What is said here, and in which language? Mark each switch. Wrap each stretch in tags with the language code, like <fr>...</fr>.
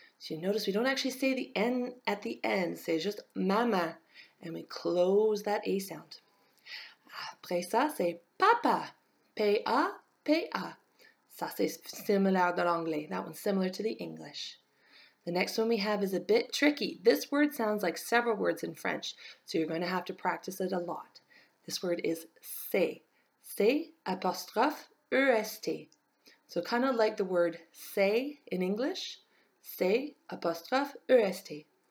<en>So you notice we don't actually say the N at the end.</en> <fr>C'est juste maman.</fr> <en>And we close that A sound.</en> <fr>Après ça, c'est papa. P-A-P-A. Ça, c'est similar de l'anglais.</fr> <en>That one's similar to the English. The next one we have is a bit tricky. This word sounds like several words in French, so you're going to have to practice it a lot. This word is c'est. C'est apostrophe E-S-T. So kind of like the word say in English. C'est apostrophe E-S-T.</en>